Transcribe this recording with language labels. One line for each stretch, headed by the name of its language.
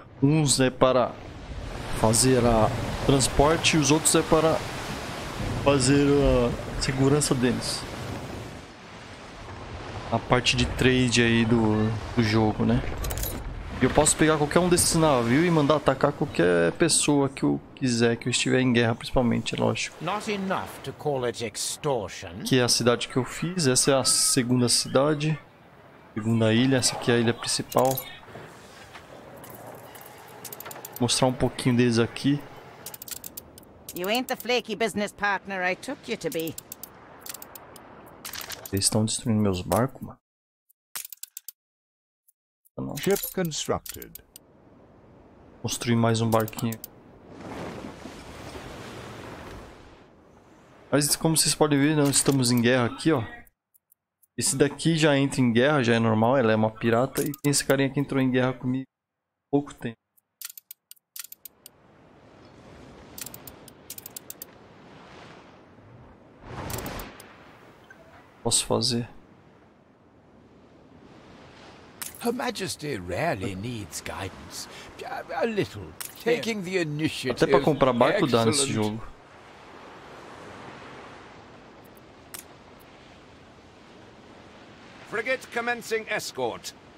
Portuguese: Uns é para fazer a transporte e os outros é para fazer a segurança deles. A parte de trade aí do jogo, né? Eu posso pegar qualquer um desses navios e mandar atacar qualquer pessoa que eu quiser, que eu estiver em guerra, principalmente, é lógico.
English: Not enough to call it extortion.
Portuguese: Que é a cidade que eu fiz, essa é a segunda cidade. Segunda ilha, essa aqui é a ilha principal. Vou mostrar um pouquinho deles aqui.
English: You ain't the flaky business partner I took you to be.
Portuguese: Eles estão destruindo meus barcos, mano. Não.
English: Ship constructed.
Portuguese: Construir mais um barquinho. Mas como vocês podem ver, nós estamos em guerra aqui, ó. Esse daqui já entra em guerra, já é normal, ela é uma pirata. E tem esse carinha que entrou em guerra comigo há pouco tempo. Posso fazer.
English: Her Majesty rarely needs guidance. A little. Taking the initiative.
Portuguese: Até pra comprar barco dá nesse jogo.
English: Frigate commencing escort.